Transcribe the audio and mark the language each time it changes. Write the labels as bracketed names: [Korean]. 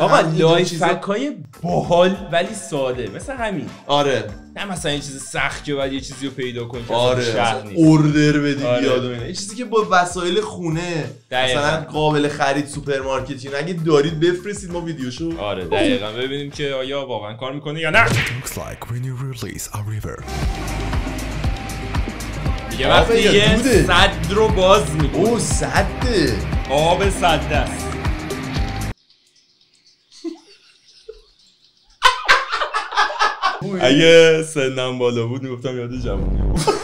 [Persian] آقا لایف هکای باحال ولی ساده مثل همین. آره نه مثلا این چیز سخت که باید یه چیزی رو پیدا کنی که آره اوردر بدی بیاد و اینه. یه چیزی که با وسایل خونه مثلا قابل خرید سوپرمارکتی اگه دارید بفرستید ما ویدیوشو. آره دقیقا ببینیم که آیا واقعا کار میکنه یا نه. [English] looks like when you release a river. [Persian] دیگه وقتی یه سد رو باز میکنه. اوه سده آب سده است. اگه سنم بالا بود میگفتم یاد جوانی بود.